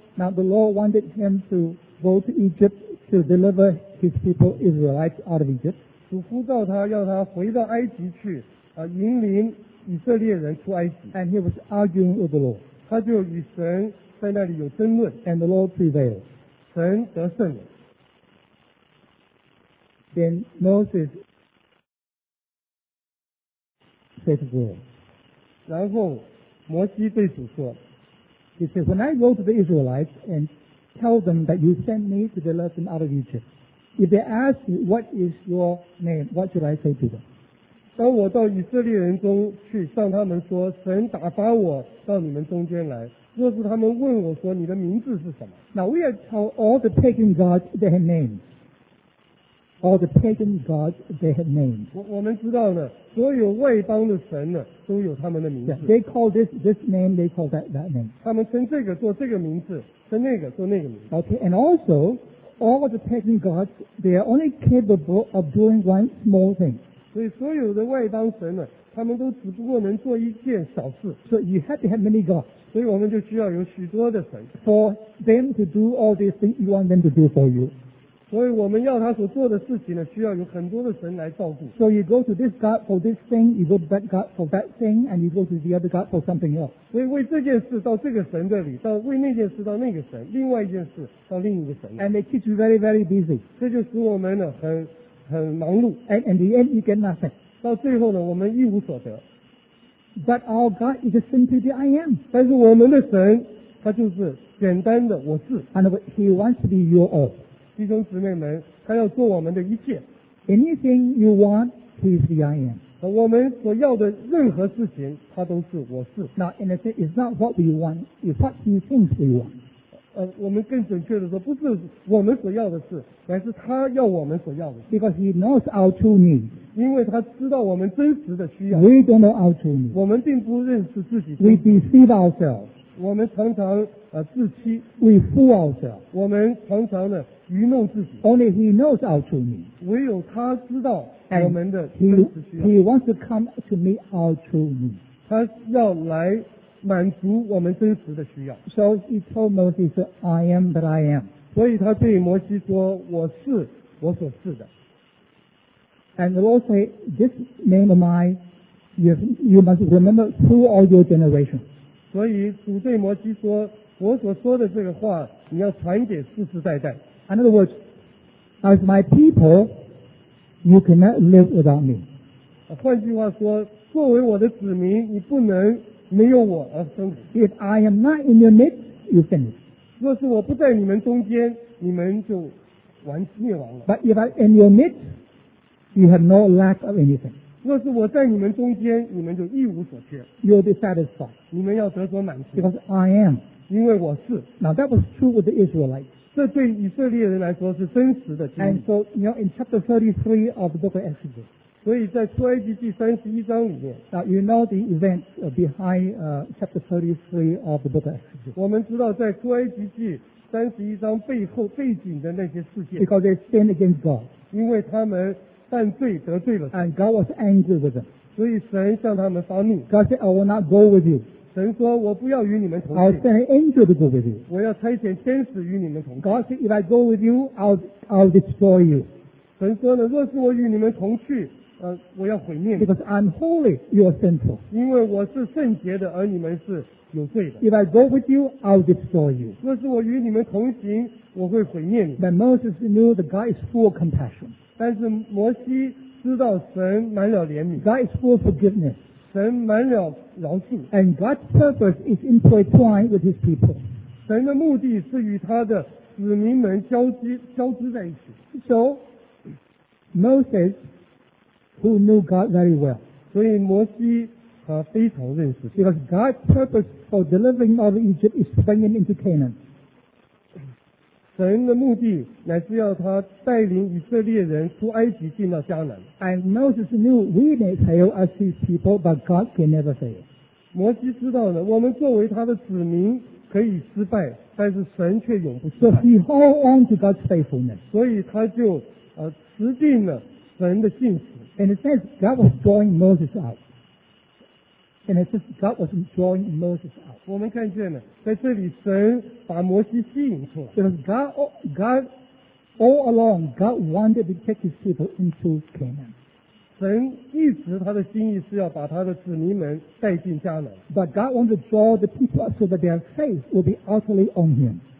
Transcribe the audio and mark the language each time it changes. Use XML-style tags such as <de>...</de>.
<en>now the Lord wanted him to go to Egypt to deliver his people Israelites out of Egypt,</en> <zh>主呼召他要他回到埃及去、引领以色列人出埃及</zh> <en>and he was arguing with the Lord,</en> <zh>他就与神在那里有争论</zh> <en>and the Lord prevailed,</en> <zh>神得胜了。</zh> <en>Then Moses said to God,</en> <zh>然后摩西对主说</zh> <en>He said, When I go to the Israelites and tell them that you sent me to deliver them out of Egypt, if they ask you, what is your name, what should I say to them?</en> <zh>当我到以色列人中去向他们说神打发我到你们中间来若是他们问我说你的名字是什么</zh> <en>Now we are told all the pagan gods their namesAll the pagan gods, they had names.</en> <zh>我们知道呢，所有外邦的神呢，都有他们的名字。</zh> <en>Yeah, they call this name, they call that name.</en> <zh>他们称这个做这个名字，称那个做那个名字。</zh> <en>Okay, and also, all the pagan gods, they are only capable of doing one small thing.</en> <zh>所以所有的外邦神呢，他们都只不过能做一件小事。</zh> <en>So you have to have many gods.</en> <zh>所以我们就需要有许多的神。</zh> <en>For them to do all these things, you want them to do for you.</en> <zh>所以我们要他所做的事情呢需要有很多的神来照顾</zh> <en>So you go to this God for this thing You go to that God for that thing And you go to the other God for something else</en> <zh>所以为这件事到这个神这里到为那件事到那个神另外一件事到另一个神</zh> <en>And they keep you very very busy</en> <zh>这就使我们呢很忙碌</zh> <en>And in the end you get nothing</en> <zh>到最后呢我们一无所得</zh> <en>But our God is simply the I am</en> <zh>但是我们的神他就是简单的我是</zh> <en>And he wants to be your all</en> <zh>弟兄姊妹们，他要做我们的一切。</zh> <en>Anything you want, he is the I am.</en> <zh>我们所要的任何事情，他都是我是。</zh> <en>Now, in a sense, it's not what we want, it's what he thinks we want.</en> <zh>我们更准确的说，不是我们所要的事，而是他要我们所要的事。</zh> <en>Because he knows our true needs.</en> <zh>因为他知道我们真实的需要。</zh> <en>We don't know our true needs.</en> <zh>我们并不认识自己。</zh> <en>We deceive ourselves.</en> <zh>我们常常自欺。</zh> <en>We fool ourselves.</en> <zh>我们常常的愚弄自己</zh> <en>Only he knows our true need.</en> <zh>唯有他知道我们的真实需要</zh> <en>he wants to come to meet our true need.</en> <zh>他要来满足我们真实的需要</zh> <en>So he told Moses, I am that I am.</en> <zh>所以他对摩西说我是我所是的</zh> <en>And the Lord said, this name of mine, you must remember through all your generations.</en> <zh>所以主对摩西说我所说的这个话你要传给世世代代</zh> <en>In other words, as my people, you cannot live without me.</en> <zh>换句话说，作为我的子民，你不能没有我而生活。</zh> <en>If I am not in your midst, you finish.</en> <zh>若是我不在你们中间，你们就完灭亡了。</zh> <en>But if I am in your midst, you have no lack of anything.</en> <zh>若是我在你们中间，你们就一无所缺。</zh> <en>You'll be satisfied.</en> <zh>你们要得着满足。</zh> <en>Because I am.</en> <zh>因为我是。</zh> <en>Now that was true with the Israelites.</en> <zh>这对以色列人来说是真实的经历。</zh> <en>And so, you know, in chapter 33 of the book of Exodus.</en> <zh>所以在出埃及记31章里面。</zh> <en>Now, you know the event behind chapter 33 of the book of Exodus.</en> <zh>我们知道在出埃及记31章背后背景的那些事件。</zh> <en>Because they sinned against God.</en> <zh>因为他们犯罪得罪了。</zh> <en>And God was angry with them.</en> <zh>所以神向他们发怒。</zh> <en>God said, I will not go with you.</en> <zh>神说我不要与你们同行</zh> <en>I'll send an angel to go with you</en> <zh>我要差遣天使与你们同行</zh> <en>God said if I go with you I'll destroy you</en> <zh>神说呢若是我与你们同去我要毁灭你</zh> <en>Because I'm holy you are sinful</en> <zh>因为我是圣洁的而你们是有罪的</zh> <en>If I go with you I'll destroy you</en> <zh>若是我与你们同行我会毁灭你</zh> <en>But Moses knew that God is full of compassion</en> <zh>但是摩西知道神满了怜悯</zh> <en>God is full of forgiveness</en> <zh>神满了饶恕</zh> <en>and God's purpose is intertwined with his people</en> <zh>神的目的是与他的子民们交织在一起</zh> <en>so Moses who knew God very well</en> <zh>所以摩西他非常认识</zh> <en>because God's purpose for delivering out of Egypt is bringing him into Canaan</en> <zh>神的目的乃是要他带领以色列人出埃及进到迦南</zh> <en>and Moses knew we may fail as his people but God can never fail</en> <zh>摩西知道了我们作为他的子民可以失败但是神却永不失败</zh> <en>So he hold on to God's faithfulness</en> <zh>所以他就持定了神的信实</zh> <en>In a sense, God was drawing Moses out And it's just God was drawing Moses out.</en> <zh>我们看见了，在这里神把摩西吸引出来。</zh> <en>Because God all along, God wanted to take His people into Canaan.</en> <zh>神一直他的心意是要把他的子民们带进迦南。</zh> <en>But God wanted to draw the people so that their faith would be utterly on Him.</en>